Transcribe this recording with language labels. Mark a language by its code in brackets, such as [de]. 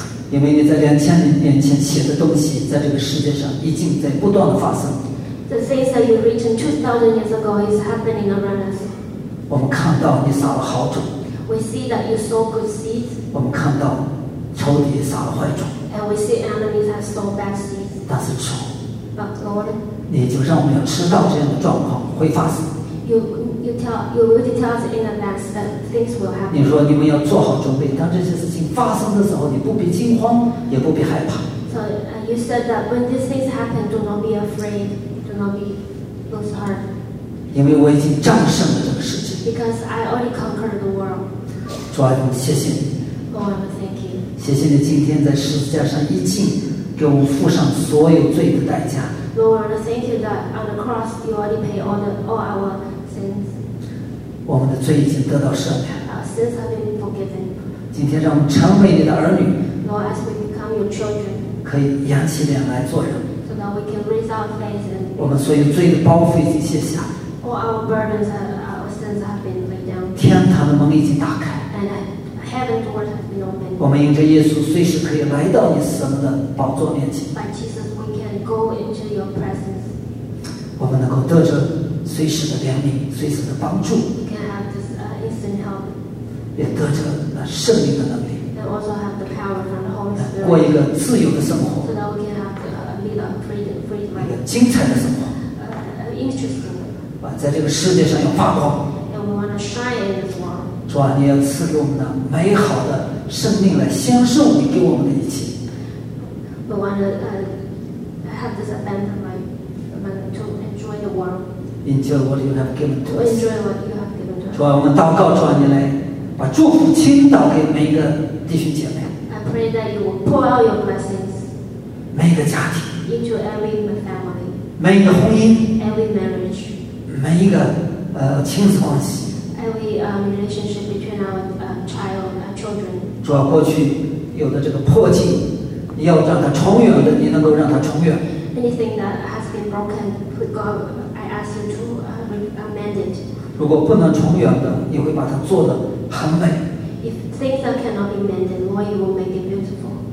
[zh] 因为你在2000年前写的东西，在这个世界上已经在不断的发生。 [en] The things that you've written 2000 years ago is happening around us. [zh] 我们看到你撒了好种。 [en] We see that you sow good seeds. [zh] 我们看到仇敌撒了坏种。 [en] And we see enemies have sown bad seeds. [zh] 但是主。 [en] But Lord. [zh] 你就让我们要知道这样的状况会发生。 [en] You already tell us in advance that things will happen. [zh] 你说你们要做好准备，当这些事情发生的时候，你不必惊慌，也不必害怕。 [en] So you said that when these things happen, do not be afraid, do not be lose heart. [zh] 因为我已经战胜了这个世界。 [en] Because I already conquered the world. [zh] 主啊，我谢谢你。 [en] Lord, thank you. [zh] 谢谢你今天在十字架上已经给我们付上所有罪的代价。 [en] Lord, thank you that on the cross you already paid all our sins. [zh] 我们的罪已经得到赦免。 [en] Sins have been forgiven. [zh] 今天让我们成为你的儿女。 [en] Lord, as we become your children. [zh] 可以扬起脸来做人。 [en] So that we can raise our face and. [zh] 我们所有罪的包袱已经卸下。 [en] All our burdens and our sins have been laid down. [zh] 天堂的门已经打开。 [en] And heaven doors have been opened. [zh] 我们因着耶稣随时可以来到你神的宝座面前。 [en] By Jesus. Go into your presence. [zh] 我们能够得着随时的怜悯，随时的帮助。 [en] We can have this instant help. [zh] 也得着那圣灵的能力。 [en] And also have the power from the Holy Spirit. [zh] 过一个自由的生活。 [en] So that we can have a freedom, [zh] freedom. 一个精彩的生活。 [en] Interesting. [zh] 在这个世界上要发光。 [en] And we want to shine as well. [zh] 主啊，你要赐给我们的美好的生命来享受你给我们的一切。 [en] We want to have this abundant life to enjoy the world. Enjoy what you have given to us. Enjoy what you have given to us. [zh] 主啊，我们祷告，主啊，你来把祝福倾倒给每一个弟兄姐妹。 [en] I pray that you will pour out your blessings. [zh] 每一个家庭。 [en] Into every family. [zh] 每一个婚姻。 [en] Every marriage. [zh] 每一个亲子关系。 [en] Every relationship between our child and our children. [zh] 主啊，过去有的这个破镜，要让它重圆的，你能够让它重圆。 [en] Anything that has been broken, God, I ask you to amend it. [zh] 如果不能重圆的，你会把它做得很美。 [en] If things that cannot be mended, Lord, you will make it beautiful.